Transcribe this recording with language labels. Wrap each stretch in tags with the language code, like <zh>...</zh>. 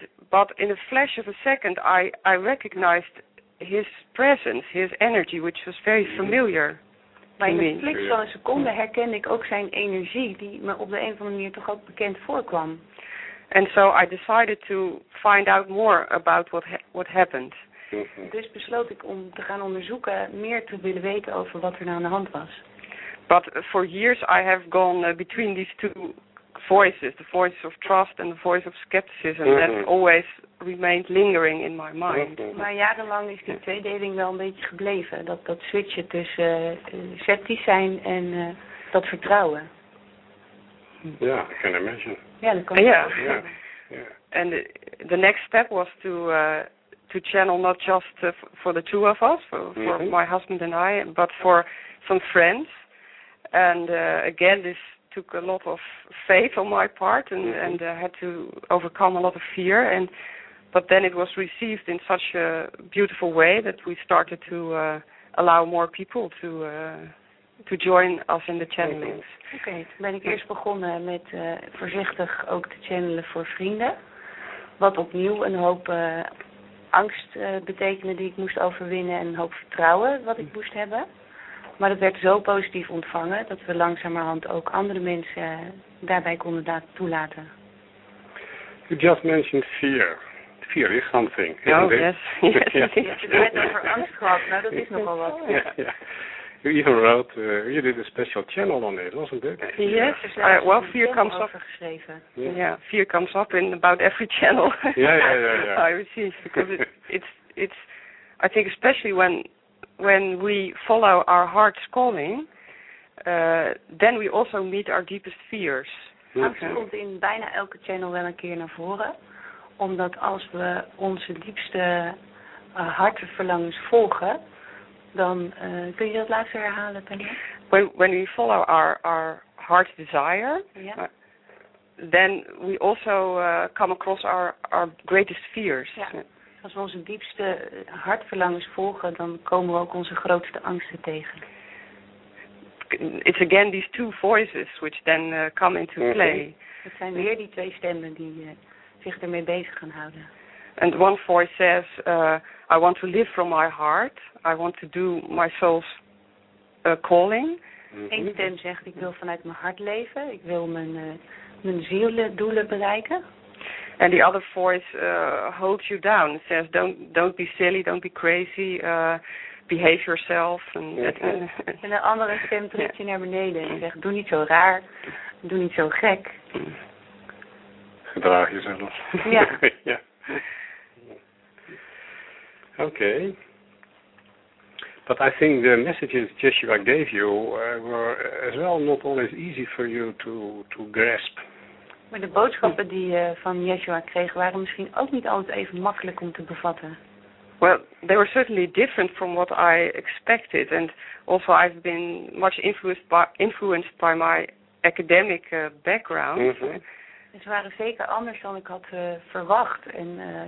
<en>But in a flash of a second, I recognized his presence, his energy, which was very familiar.</en> <nl>Maar in een flits van een seconde herkende ik ook zijn energie, die me op de een of andere manier toch ook bekend voorkwam.</nl> <en>And so I decided to find out more about what happened. Mm-hmm.</en> <nl>Dus besloot ik om te gaan onderzoeken, meer te willen weten over wat er nou aan de hand was.</nl> <en>But for years I have gone between these two voices, the voice of trust and the voice of skepticism, mm-hmm. that always remained lingering in my mind. Mm-hmm.</en> <nl>Maar jarenlang is die tweedeling wel een beetje gebleven, dat switchen tussen sceptisch zijn en dat vertrouwen.</nl> <en>Ja, yeah, I can imagine.</en> <nl>Ja, dat kan.</nl> <en>And the next step was to channel not just for the two of us, for mm-hmm. my husband and I, but for some friends. And again, this took a lot of faith on my part and had to overcome a lot of fear. But then it was received in such a beautiful way that we started to allow more people to join us in the channelings.</en> <nl>Okay, toen ben ik eerst begonnen met voorzichtig ook te channelen voor vrienden. Wat opnieuw een hoop angst betekende die ik moest overwinnen en een hoop vertrouwen wat ik moest hebben. Maar dat werd zo positief ontvangen dat we langzamerhand ook andere mensen daarbij konden toelaten.</nl> <en>You just mentioned fear. Fear is something. Oh, yes. Yes.</en> <nl>Je hebt het over angst gehad. Nou, dat is nogal wat.</nl> <en>You even wrote, you did a special channel on it, wasn't it? Yes. Well, fear comes up. Fear comes up in about every channel. Yeah. I receive, because it's. I think especially when we follow our heart's calling, then we also meet our deepest fears.</en> <nl>Angst komt in bijna elke channel wel een keer naar voren, omdat als we onze diepste hartverlangens volgen, dan kun je dat laatste herhalen, Penny?</nl> <en>When we follow our heart's desire, then we also come across our greatest fears.</en> <nl>Als we onze diepste hartverlangens volgen, dan komen we ook onze grootste angsten tegen.</nl> <en>It's again these two voices which then come into play.</en> <nl>Het zijn weer die twee stemmen die zich ermee bezig gaan houden.</nl> <en>And one voice says, I want to live from my heart. I want to do my soul's calling. Mm-hmm.</en> <nl>Eén stem zegt, ik wil vanuit mijn hart leven. Ik wil mijn zieldoelen bereiken.</nl> <en>And the other voice holds you down. It says, don't be silly, don't be crazy, behave yourself.</en> <nl>En de andere stem trekt je naar beneden. Die zegt, doe niet zo raar, doe niet zo gek. Gedraag jezelf. Ja.</nl> <en>Okay. But I think the messages Yeshua gave you were as well not always easy for you to grasp.</en> <nl>Maar de boodschappen die je van Yeshua kreeg waren misschien ook niet altijd even makkelijk om te bevatten.</nl> <en>Well, they were certainly different from what I expected. And also I've been much influenced by my academic background.</en> <nl>Mm-hmm. Ze waren zeker anders dan ik had verwacht. En</nl>